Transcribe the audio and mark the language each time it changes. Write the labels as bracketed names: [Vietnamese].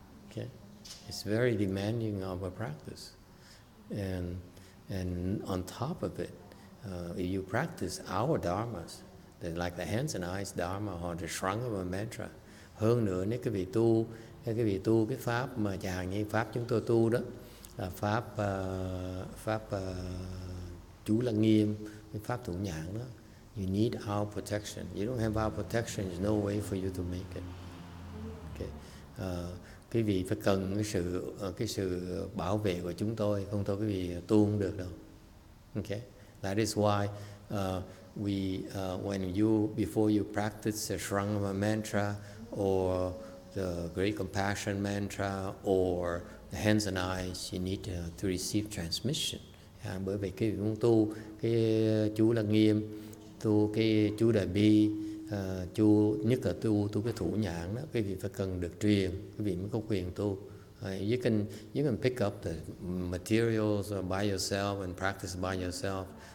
[English] Okay, it's very demanding of a practice, and on top of it, if you practice our dharmas, like the hands and eyes dharma or the shrung of a mantra. [Vietnamese] Hơn nữa, nếu quý vị tu, cái pháp mà chẳng hạn như pháp chúng tôi tu đó, là pháp chú lăng nghiêm, pháp thủ nhãn đó. [English] You need our protection. You don't have our protection, there's no way for you to make it. Okay. [Vietnamese] Quý vị phải cần cái sự bảo vệ của chúng tôi, không thôi quý vị tu không được đâu. [English] Okay. That is why before you practice the Sarangama mantra or the Great Compassion mantra or the hands and eyes, you need to receive transmission. [Vietnamese] Bởi vì quý vị muốn tu cái chú lăng nghiêm, tu cái chú đại bi, chú nhất là tu cái thủ nhãn đó, quý vị phải cần được truyền, quý vị mới có quyền tu. [English] You can pick up the materials by yourself and practice by yourself.